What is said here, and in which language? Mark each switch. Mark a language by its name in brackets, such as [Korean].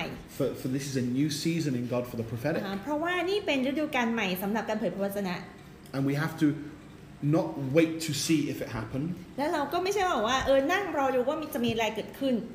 [English] for this is a new season in God for the prophetic [Thai] เพราะว่านี่เป็นฤดูกาลใหม่สำหรับการเผยพระวจนะ [English] And we have to not wait to see if it happened [Thai] และเราก็ไม่ใช่ว่าเออนั่งรออยู่ว่ามันจะมีอะไรเกิดขึ้น